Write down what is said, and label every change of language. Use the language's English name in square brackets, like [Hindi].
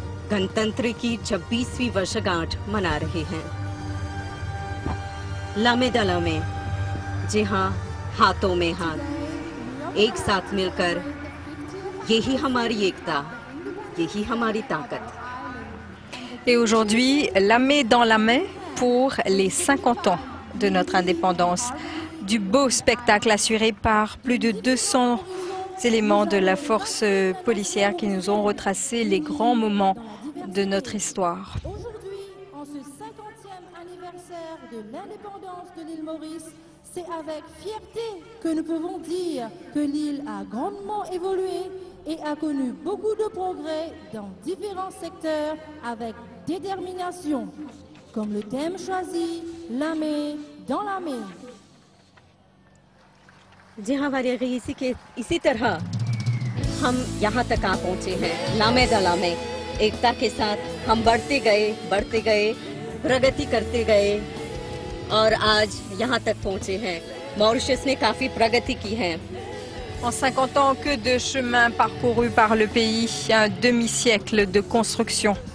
[Hindi] गणतंत्र की 26वीं वर्षगांठ मना रहे हैं लमे दलमे जी हां हाथों में हाथ एक साथ मिलकर यही हमारी एकता यही हमारी ताकत [French] Et aujourd'hui la main dans la main pour les 50 ans de notre indépendance du beau spectacle assuré par plus de 200 éléments de la force policière qui nous ont retracé les grands moments de notre histoire. Aujourd'hui, en ce 50e anniversaire de l'indépendance de l'île Maurice, c'est avec fierté que nous pouvons dire que l'île a grandement évolué et a connu beaucoup de progrès dans différents secteurs avec détermination, comme le thème choisi, la main dans la main. Je vais vous dire ici que, ici, nous sommes arrivés ici, la main dans la main. [Hindi] एकता के साथ हम बढ़ते गए प्रगति करते गए और आज यहां तक पहुंचे हैं मॉरिशस ने काफी प्रगति की है [French] En 50 ans que de chemin parcouru par le pays un demi-siècle de construction